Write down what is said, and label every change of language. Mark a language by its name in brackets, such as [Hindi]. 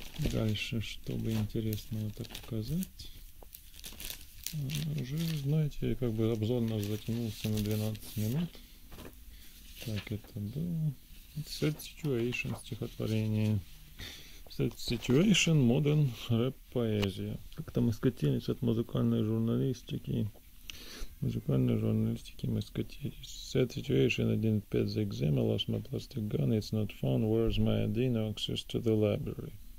[Russian] Дальше, чтобы интересно это показать. Уже, знаете, как бы обзор наш затянулся на 12 минут. Так, это было Sad Situation стихотворение. [English] Sad Situation Modern Rap Поэзия. [Russian] Как-то мы скатились от музыкальной журналистики. Музыкальной журналистики мы скатились. [English] Sad Situation, I didn't pass the exam, I lost my plastic gun, it's not fun, where's my ID, no access to the library.